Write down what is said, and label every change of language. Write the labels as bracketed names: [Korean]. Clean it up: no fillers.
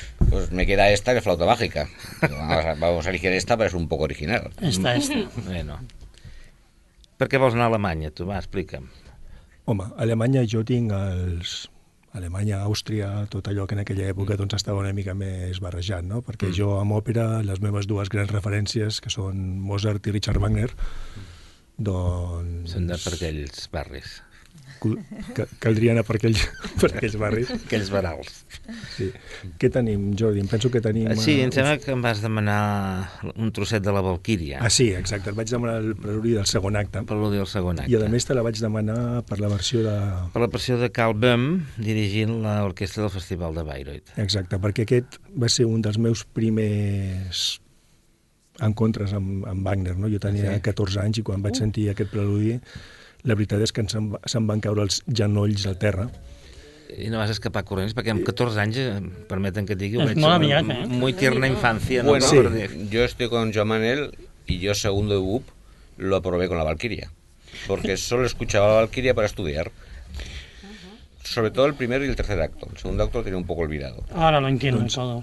[Spanish] Pues me queda esta, que es Flauta Mágica. Vamos a elegir esta, pero es un poco original. Esta. Bueno. [Catalan] ¿Por qué vols anar a Alemanya, tu? Va, explica'm. Home, a Alemanya jo tinc els... Alemanya, Àustria, tot allò que en aquella època doncs estava una mica més barrejat, no? Perquè jo amb òpera, les meves dues grans referències, que són Mozart i Richard Wagner, doncs... Són de per aquells barris. Caldria anar per aquells barris. Aquells barals. Sí. Què tenim, Jordi? Em penso que tenim... Sí, em sembla que em vas demanar un trosset de la Valquíria. Ah, sí, exacte. Et vaig demanar el preludi del segon acte. El preludi del segon acte. I, a més, te la vaig demanar per la versió de... Per la versió de Karl Böhm, dirigint l'orquestra del Festival de Bayreuth. Exacte, perquè aquest va ser un dels meus primers encontres amb Wagner, no? Jo tenia 14 anys i quan vaig sentir aquest preludi, la veritat és que se'm van caure els genolls al terra. I no vas escapar corrents, perquè amb 14 anys, permeten que et digui, és molt aviat, [Spanish] Muy tierna infància. Bueno, sí. Yo estoy con Joan Manel y yo segundo de UB lo aprobé con la Valquíria, porque solo escuchaba la Valquíria para estudiar. Sobre todo el primer y el tercer acto. El segundo acto lo tenía un poco olvidado. Ahora lo entiendo en todo.